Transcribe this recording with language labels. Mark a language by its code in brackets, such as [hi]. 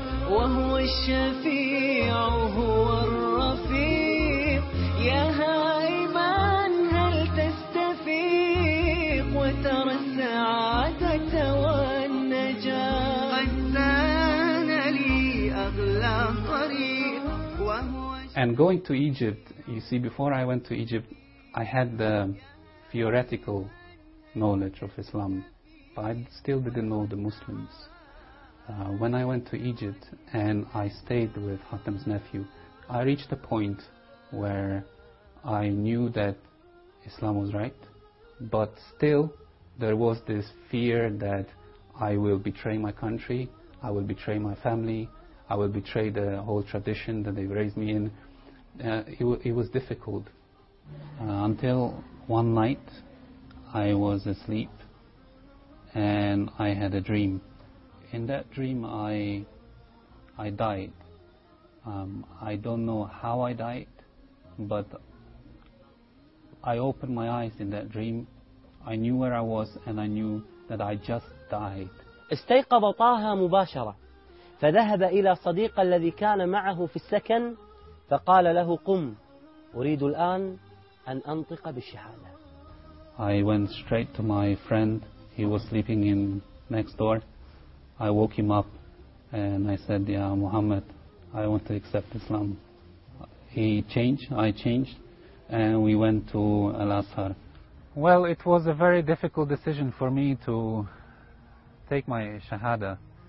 [ar] وهو الشفيع هو الرفيق يا هايمان هل تستفيق وترى السعادة والنجاة قد كان لي أغلى طريق وهو [en] And going to Egypt, you see, before I went to Egypt, I had the theoretical knowledge of Islam, but I still didn't know the Muslims. When I went to Egypt and I stayed with Hatem's nephew, I reached a point where I knew that Islam was right, but still there was this fear that I will betray my country, I will betray my family, I will betray the whole tradition that they've raised me in. It was difficult. Until one night I was asleep and I had a dream. In that dream, I died. I don't know how I died, but I opened my eyes in that dream. I knew where I was, and I knew that I just died. [ar] استيقظ طه مباشرة، فذهب إلى صديق الذي كان معه في السكن، فقال له قم، أريد الآن أن أنطق بالشهادة. [en] I went straight to my friend. He was sleeping in next door. I woke him up and I said, "Ya Muhammad, I want to accept Islam." He changed, I changed, and we went to Al-Azhar. Well, it was a very difficult decision for me to take my Shahada.